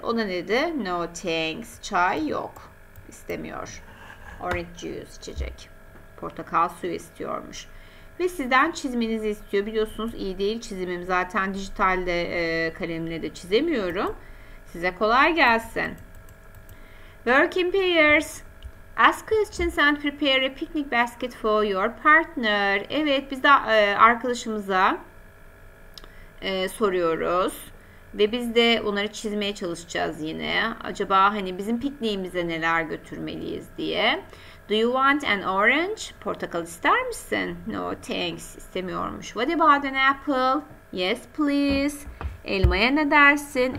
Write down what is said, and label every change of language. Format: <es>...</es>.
<tr>Ona ne dedi?</tr> <en>No thanks,</en> <tr>çay yok, istemiyor. Orange juice içecek, portakal suyu istiyormuş. Ve sizden çizmenizi istiyor. Biliyorsunuz iyi değil çizimim, zaten dijitalde kalemle de çizemiyorum. Size kolay gelsin.</tr> <en>Work in pairs. Ask questions and prepare a picnic basket for your partner.</en> <tr>Evet, biz de arkadaşımıza soruyoruz. Ve biz de onları çizmeye çalışacağız yine. Acaba hani bizim pikniğimize neler götürmeliyiz diye.</tr> <en>Do you want an orange?</en> <tr>Portakal ister misin?</tr> <en>No, thanks.</en> <tr>İstemiyormuş.</tr> <en>What about an apple? Yes, please.</en> <tr>Elmaya ne dersin?</tr>